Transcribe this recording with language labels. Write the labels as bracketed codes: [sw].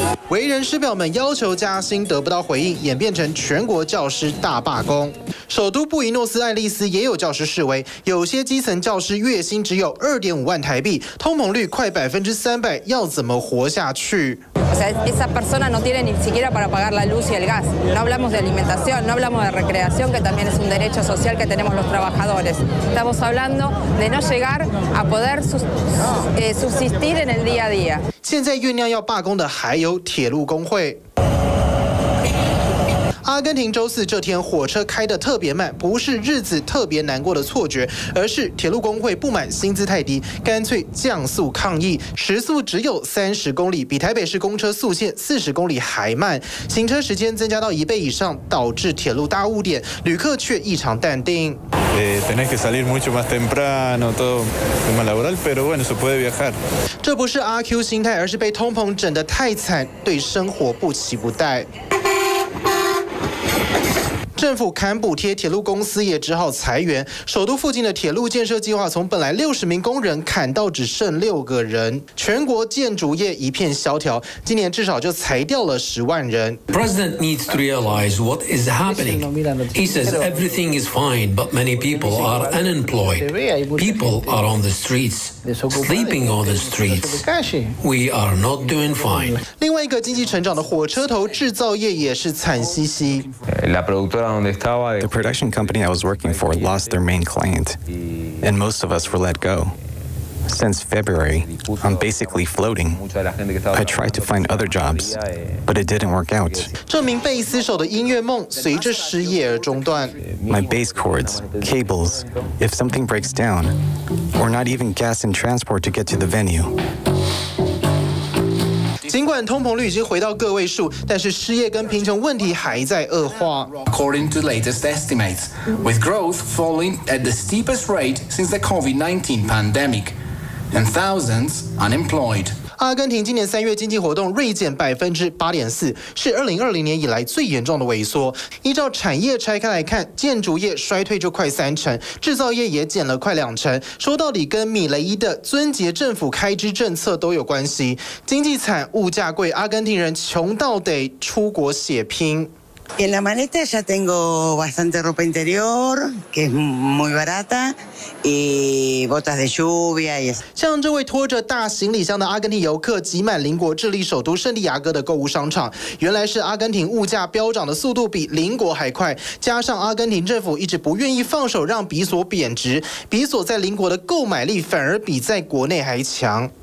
[zh] 为人师表们要求加薪得不到回应，演变成全国教师大罢工。首都布宜诺斯艾利斯也有教师示威，有些基层教师月薪只有2.5万台币，通膨率快300%，要怎么活下去？ [es] Esa persona no tiene ni siquiera para pagar la luz y el gas. No hablamos de alimentación, no hablamos de recreación, que también es un derecho social que tenemos los trabajadores. Estamos hablando de no llegar a poder subsistir en el día a día. [zh] 现在酝酿要罢工的还有铁路工会。阿根廷周四这天火车开得特别慢，不是日子特别难过的错觉，而是铁路工会不满薪资太低，干脆降速抗议，时速只有30公里，比台北市公车速限40公里还慢，行车时间增加到1倍以上，导致铁路大误点，旅客却异常淡定。 [es] Tenés que salir mucho más temprano, todo tema laboral, pero bueno, se puede viajar. [zh] 这不是阿 Q 心态，而是被通膨整得太惨，对生活不期不待。政府砍补贴，铁路公司也只好裁员。首都附近的铁路建设计划从本来60名工人砍到只剩6个人。全国建筑业一片萧条，今年至少就裁掉了10万人。 [en] President needs to realize what is happening. He says everything is fine, but many people are unemployed. People are on the streets, sleeping on the streets. We are not doing fine. [zh] 另外一个经济成长的火车头制造业也是惨兮兮。 [en] The production company I was working for lost their main client, and most of us were let go. Since February, I'm basically floating. I tried to find other jobs, but it didn't work out. [zh] 这名贝斯手的音乐梦随着失业而中断。 [en] My bass cords, cables, if something breaks down, or not even gas and transport to get to the venue. [zh] 尽管通膨率已经回到个位数，但是失业跟贫穷问题还在恶化。 [en] According to latest estimates, with growth falling at the steepest rate since the COVID-19 pandemic, and thousands unemployed. [zh] 阿根廷今年三月经济活动锐减8.4%，是2020年以来最严重的萎缩。依照产业拆开来看，建筑业衰退就快30%，制造业也减了快20%。说到底，跟米雷伊的尊节政府开支政策都有关系。经济惨，物价贵，阿根廷人穷到得出国血拼。 [es] En la maleta ya tengo bastante ropa interior, que es muy barata, y botas de lluvia y eso. [zh] 像这位拖着大行李箱的阿根廷游客挤满邻国智利首都圣地亚哥的购物商场，原来是阿根廷物价飙涨的速度比邻国还快，加上阿根廷政府一直不愿意放手让比索贬值，比索在邻国的购买力反而比在国内还强。